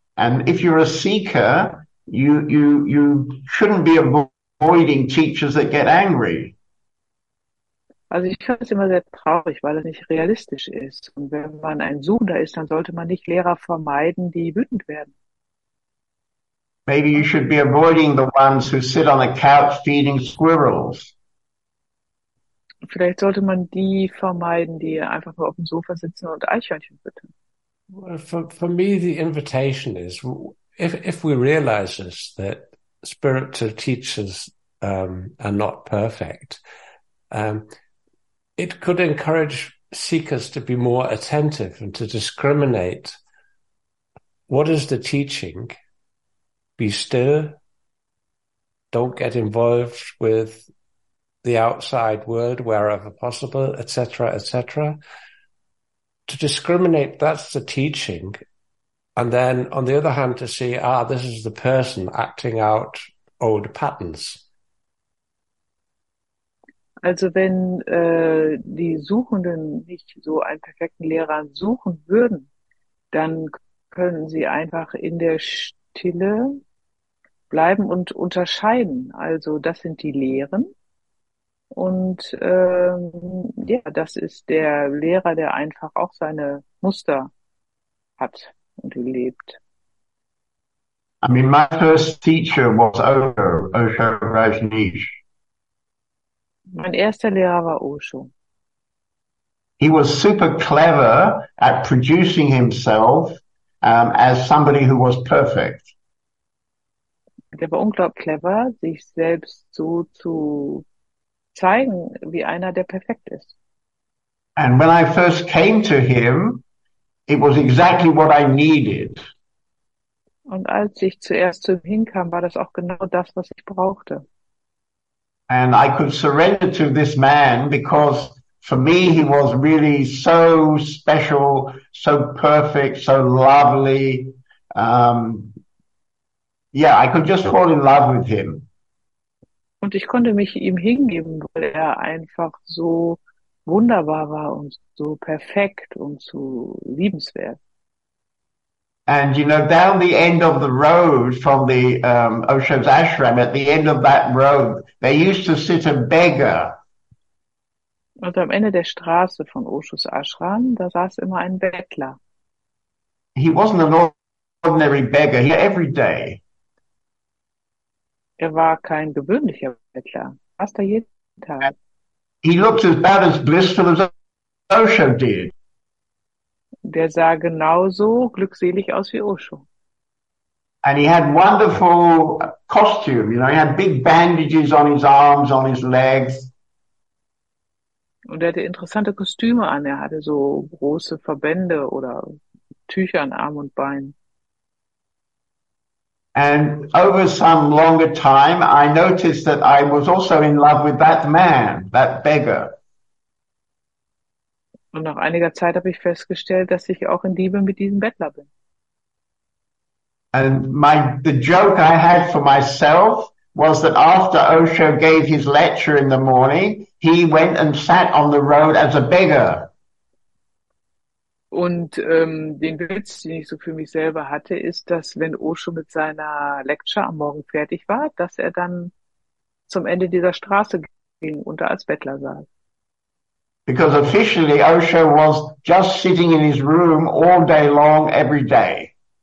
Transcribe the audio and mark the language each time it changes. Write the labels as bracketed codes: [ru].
[en] And if you're a seeker, you shouldn't be avoiding teachers that get angry. [de] Also ich finde es immer sehr traurig, weil es nicht realistisch ist. Und wenn man ein Suchender ist, dann sollte man nicht Lehrer vermeiden, die wütend werden. [en] Maybe you should be avoiding the ones who sit on a couch feeding squirrels. [de] Vielleicht sollte man die vermeiden, die einfach nur auf dem Sofa sitzen und Eichhörnchen füttern. [en] Well, for me the invitation is, if we realize this, that spiritual teachers are not perfect, it could encourage seekers to be more attentive and to discriminate what is the teaching be still. Don't get involved with the outside world wherever possible, etc., etc. To discriminate, that's the teaching. And then on the other hand, to see, ah, this is the person acting out old patterns. [de] Also wenn die Suchenden nicht so einen perfekten Lehrer suchen würden, dann können sie einfach in der Stille bleiben und unterscheiden. Also das sind die Lehren. Und ja, das ist der Lehrer, der einfach auch seine Muster hat und lebt. [en] I mean, my first teacher was Osho Rajneesh. [de] Mein erster Lehrer war Osho. [en] He was super clever at producing himself as somebody who was perfect. [de] Der war unglaublich clever, sich selbst so zu zeigen, wie einer, der perfekt ist. [en] And when I first came to him, it was exactly what I needed. [de] Und als ich zuerst zu ihm hinkam, war das auch genau das, was ich brauchte. [en] And I could surrender to this man because for me he was really so special, so perfect, so lovely. Yeah, I could just fall in love with him. [de] Und ich konnte mich ihm hingeben, weil er einfach so wunderbar war und so perfekt und so liebenswert. [en] And you know, down the end of the road from the Osho's ashram, at the end of that road, there used to sit a beggar. [de] Und am Ende der Straße von Osho's Ashram, da saß immer ein Bettler. [en] He wasn't an ordinary beggar, he was every day. [de] Er war kein gewöhnlicher Bettler, fast jeden Tag. [en] And he looked about as blissful as Osho did. [de] Der sah genauso glückselig aus wie Osho. [en] And he had wonderful costume, you know, he had big bandages on his arms, on his legs. [de] Und er hatte interessante Kostüme an, er hatte so große Verbände oder Tücher an Arm und Bein. [en] And over some longer time, I noticed that I was also in love with that man, that beggar. [de] Und nach einiger Zeit habe ich festgestellt, dass ich auch in Liebe mit diesem Bettler bin. [en] And the joke I had for myself was that after Osho gave his lecture in the morning, he went and sat on the road as a beggar. [de] Und den Witz, den ich so für mich selber hatte, ist, dass wenn Osho mit seiner Lecture am Morgen fertig war, dass er dann zum Ende dieser Straße ging und da als Bettler saß. [en] Because officially Osho was just sitting in his room all day long, every day.